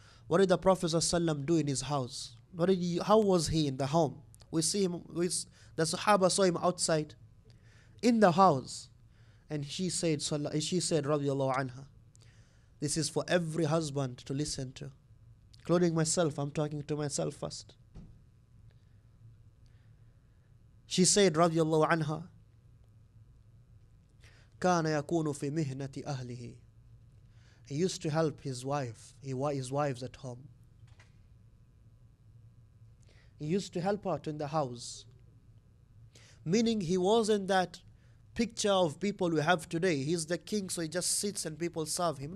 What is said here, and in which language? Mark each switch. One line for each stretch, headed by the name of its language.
English: What did the Prophet sallallahu alaihi wasallam do in his house? What did he, how was he in the home? We see him, the Sahaba saw him outside, in the house. And she said radiallahu anha, this is for every husband to listen to, including myself, I'm talking to myself first. She said,
Arabic: radiyallahu anha, كان يكون في مهنة أهله
English: He used to help his wives at home. He used to help out in the house. Meaning he wasn't that picture of people we have today. He's the king, so he just sits and people serve him.